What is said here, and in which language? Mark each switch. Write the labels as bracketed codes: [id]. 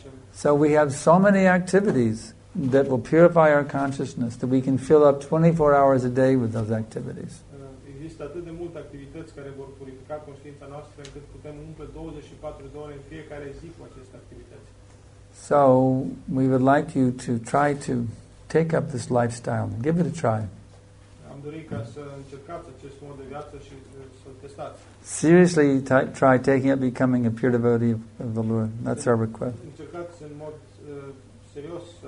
[en] So we have so many activities that will purify our consciousness that we can fill up 24 hours a day with those activities. [ro] Există atât de multe activități care vor purifica conștiința noastră încât putem umple 24 de ore în fiecare zi cu aceste activități. [en] So we would like you to try to take up this lifestyle. Give it a try. [ro] Am dorit ca să încercați acest mod de viață și să testați. [en] Seriously, try taking up becoming a pure devotee of the Lord. That's our request. [ro] Încercați în mod serios